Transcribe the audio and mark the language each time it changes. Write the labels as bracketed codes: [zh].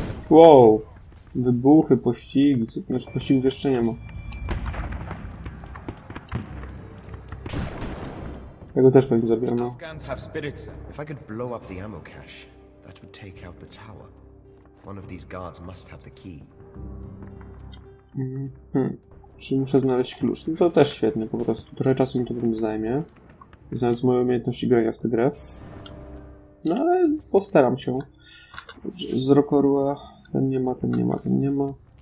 [pl] Wow! Wybuchy, pościgi, co to znaczy pościgów jeszcze nie ma. Ja go też pewnie zabieram. [en] If I could blow up the ammo cache, that would take out the tower. One of these guards must have the key. [pl] Czy muszę znaleźć klucz? No to też świetnie, po prostu. Trochę czasu mi to bym zajmie. Znając moje umiejętności grania w tę grę. No ale postaram się. Dobrze, z Rokorua. Ten nie ma, ten nie ma, ten nie ma.